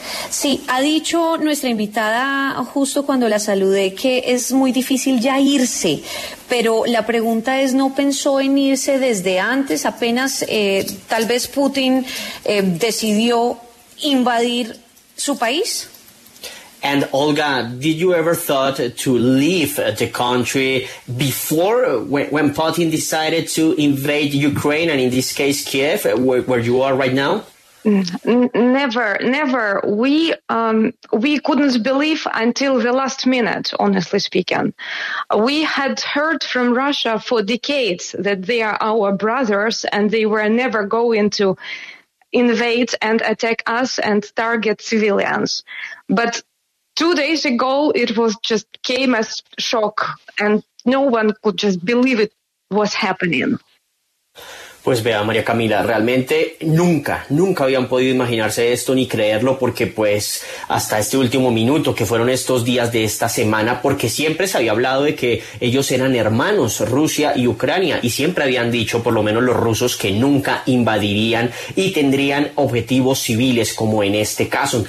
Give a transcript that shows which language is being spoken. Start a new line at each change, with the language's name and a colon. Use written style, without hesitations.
Spanish: Sí, ha dicho nuestra invitada justo cuando la saludé que es muy difícil ya irse, pero la pregunta es, ¿no pensó en irse desde antes? Apenas tal vez Putin decidió invadir su país.
English: And Olga, did you ever thought to leave the country before when Putin decided to invade Ukraine and in this case Kiev, where you are right now? Never. We couldn't believe until the last minute, honestly speaking. We had heard from Russia for decades that they are our brothers and they were never going to invade and attack us and target civilians. But 2 days ago, it was just came as shock and no one could just believe it was happening.
Spanish: Pues vea, María Camila, realmente nunca, nunca habían podido imaginarse esto ni creerlo, porque pues hasta este último minuto, que fueron estos días de esta semana, porque siempre se había hablado de que ellos eran hermanos, Rusia y Ucrania, y siempre habían dicho, por lo menos los rusos, que nunca invadirían y tendrían objetivos civiles, como en este caso.